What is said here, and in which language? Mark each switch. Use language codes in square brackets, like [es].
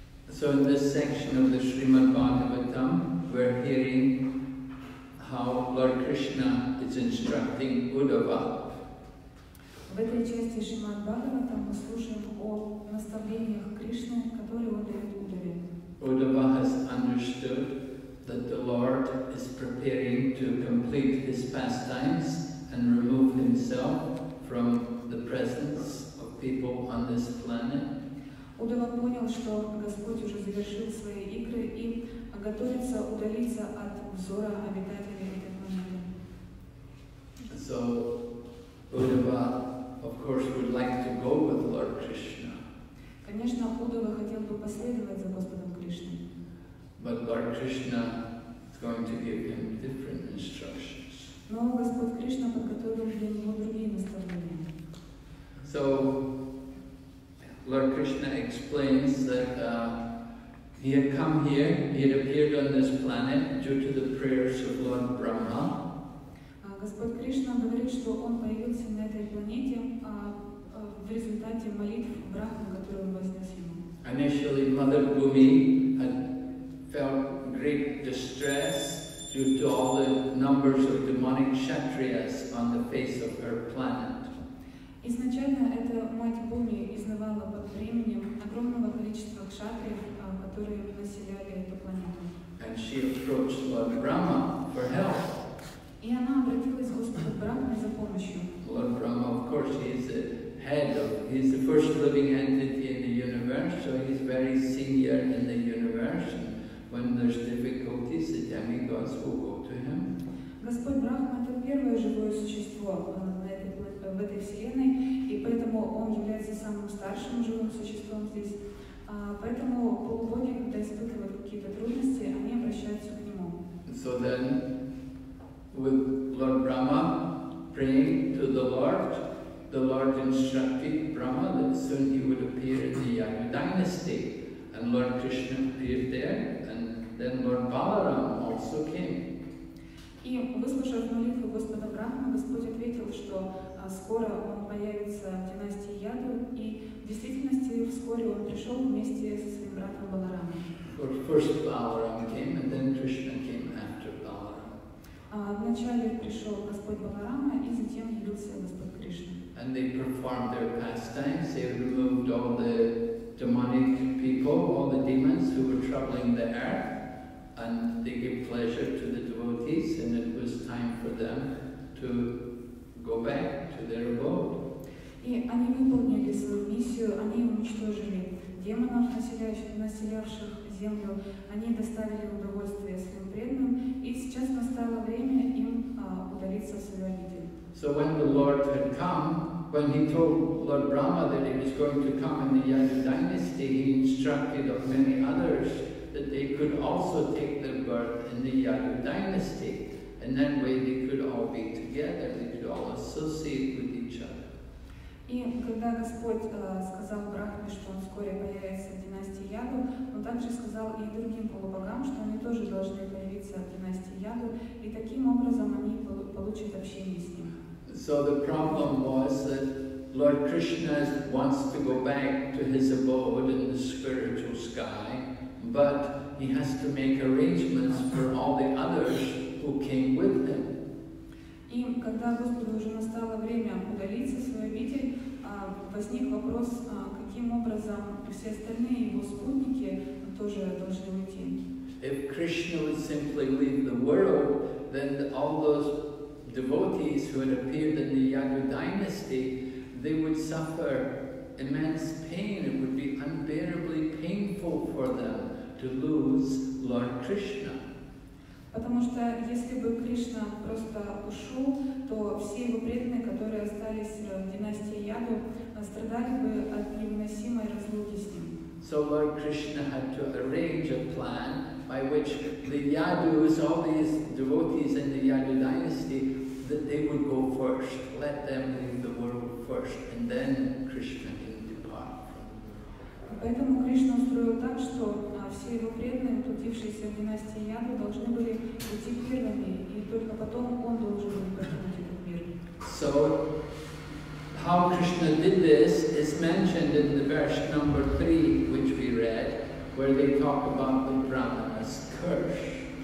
[en] So in this section of the Srimad Bhagavatam we're hearing how Lord Krishna is instructing Uddhava. [ru] В этой части Шримад Бхагаватам мы слушаем о наставлениях Кришны, которые он дает Удаве. [en] Удава has understood that the Lord is preparing to complete his pastimes and remove himself from the presence of people on this planet. [ru] Удава понял, что Господь уже завершил свои игры и готовится удалиться от взора обитателей этой планеты. [en] So, Удава of course, would like to go with Lord Krishna. [ru] Конечно, Удава хотел бы последовать за Господом Кришной. [en] But Lord Krishna is going to give him different instructions. [ru] Но Господь Кришна подготовил для него другие наставления. [en] So, Lord Krishna explains that he had come here. He had appeared on this planet due to the prayers of Lord Brahma. [ru] Господь Кришна говорит, что он появился на этой планете в результате молитв Брахмы, которые он вознес ему. [en] Initially, Mother Bhumi had felt great distress due to all the numbers of demonic kshatriyas on the face of her planet. [ru] Изначально эта мать Бхуми изнывала под бременем огромного количества кшатриев, которые населяли эту планету. [en] And she approached Lord Brahma for help. [ru] И она обратилась к Господу Брахме за помощью. [en] Lord Brahma, of course, he is the head of, he is the first living entity in the universe, so he is very senior in the universe. And when there's difficulties, the demigods will go to him. [ru] Господь Брахма — это первое живое существо в этой вселенной, и поэтому он является самым старшим живым существом здесь. Поэтому полубоги, когда испытывают какие-то трудности, они обращаются к нему. [en] So then, with Lord Brahma praying to the Lord instructed Brahma that soon he would appear in the Yadu dynasty, and Lord Krishna appeared there, and then Lord Balaram also came. [ru] И выслушав молитву Господа Брахмы, Господь ответил, что скоро он появится в династии Яду, и в действительности вскоре он пришел вместе со своим братом Баларамом. [en] First Balaram came, and then Krishna came after Balaram. [ru] Вначале пришел Господь Баларама, и затем явился Господь Кришна. [en] And they performed their pastimes. They removed all the demonic people, all the demons who were troubling the earth, and they gave pleasure to the devotees, and it was time for them to go back to their abode. [ru] И они выполнили свою миссию, они уничтожили демонов, населявших землю, они доставили удовольствие своим преданным, и сейчас настало время им удалиться в свою обитель. [en] So when the Lord had come, when he told Lord Brahma that he was going to come in the Yadu dynasty, he instructed of many others that they could also take their birth in the Yadu dynasty, and that way they could all be together, they could all associate with each other. [ru] И когда Господь сказал Брахме, что он вскоре появится в династии Яду, он также сказал и другим полубогам, что они тоже должны появиться в династии Яду, и таким образом они получат общение с ним. [en] So the problem was that Lord Krishna wants to go back to his abode in the spiritual sky, but he has to make arrangements for all the others who came with him. [ru] И когда Господу уже настало время удалиться в свою обитель, возник вопрос, каким образом все остальные его спутники тоже должны уйти. [en] If Krishna would simply leave the world, then all those devotees who had appeared in the Yadu dynasty, they would suffer immense pain. It would be unbearably painful for them to lose Lord Krishna. [ru] Потому что если бы Кришна просто ушел, то все его преданные, которые остались в династии Яду, страдали бы от невыносимой разлуки с ним. [en] So Lord Krishna had to arrange a plan by which the Yadus, all these devotees in the Yadu dynasty, that they would go first, let them leave the world first, and then Krishna can depart. [ru] Поэтому Кришна устроил так, что все его преданные, трудившиеся в династии Яду, должны были уйти первыми, и только потом он должен был покинуть этот мир. [en] So, how Krishna did this is mentioned in the verse number 3, which we read, where they talk about the Brahmana's curse.